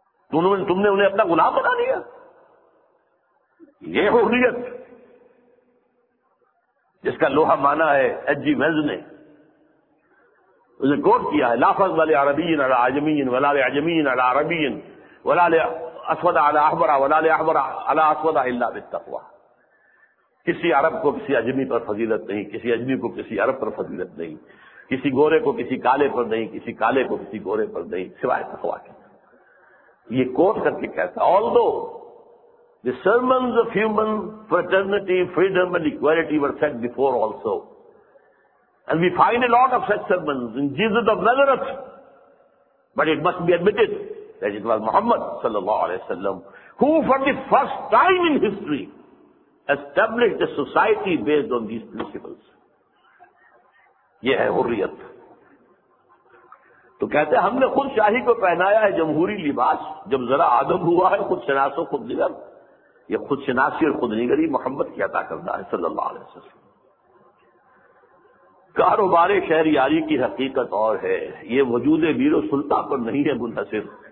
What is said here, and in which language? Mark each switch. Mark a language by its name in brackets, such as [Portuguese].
[Urdu] تم نے انہیں اپنا غلام بنا لیا, یہ حریت جس کا لوہا مانا ہے ایچ جی ویلز نے, اسے کوٹ کیا ہے, [Arabic] لافظ والے عربین علی عجمین ولا عجمین علی عربین ولا اسود علی احمر ولا احمر علی اسود الا بالتقوی. [Urdu] کسی عرب کو کسی اجمی پر فضیلت نہیں, کسی اجمی کو کسی عرب پر فضیلت نہیں, کسی گورے کو کسی کالے پر نہیں، کسی کالے کو کسی گورے پر نہیں، سوائے تقوا کے. یہ کوٹ کر کے کہتا ہے [English] Although the sermons of human fraternity, freedom and equality were said before also. And we find a lot of such sermons in Jesus of Nazareth. But it must be admitted that it was Muhammad sallallahu alayhi wa sallam who for the first time in history established a society based on these principles. [Urdu] یہ ہے حریت. تو کہتے ہیں ہم نے خود شاہی کو پہنایا ہے جمہوری لباس، جب ذرا آدم ہوا ہے خود شناس و خود نگر. یہ خود شناسی اور خود نگری محمد کی عطا کردہ ہے صلی اللہ علیہ وسلم. کاروبار شہریاری کی حقیقت اور ہے، یہ وجود بیر و سلطہ پر نہیں ہے منحصر.